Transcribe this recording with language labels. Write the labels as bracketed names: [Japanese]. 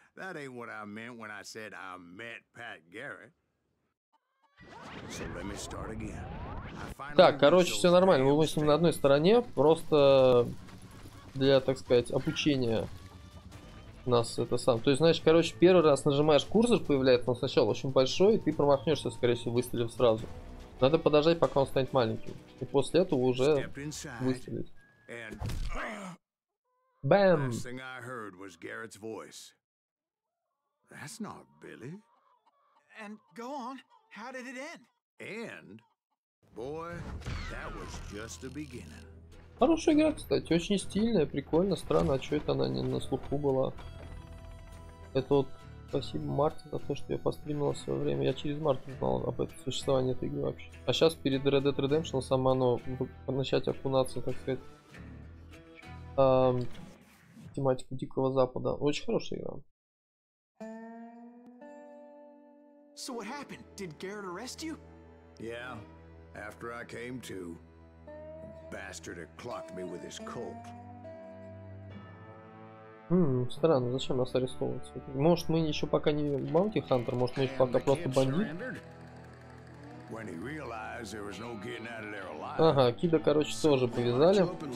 [English] That ain't what I meant when I said I met Pat Garrett. So let me start again. [Russian] Так, короче, все нормально. Мы с ним на одной стороне. Просто для, так сказать, обучения нас это сам. То есть, знаешь, короче, первый раз нажимаешь курсор, появляется он сначала очень большой, и ты промахнешься, скорее всего, выстрелив сразу. Надо подождать, пока он станет маленьким. И после этого уже выстрелить. [English] And bam. Last thing I heard was Garrett's voice. That's not Billy. And go on. How did it end? And boy, that was just the beginning. [Russian] Хорошая игра, кстати, очень стильная, прикольно, странно, а что это она не на слуху была? Это вот спасибо Марте за то, что я постримил в свое время. Я через Марту знал об этом существовании этой игры вообще. А сейчас перед Red Dead Redemption сама оно начать окунаться, так сказать. Тематику Дикого Запада. Очень хорошая игра. [English] So what happened? Did Garrett arrest you? Yeah, after I came to, bastard had clocked me with his Colt. [Russian] Странно, зачем нас арестовывать? Может, мы еще пока не Bounty Hunter, может, мы еще пока просто бандит? [English] When he realized there was no getting out of there alive. [Russian] Ага, Кида, короче, тоже повязали.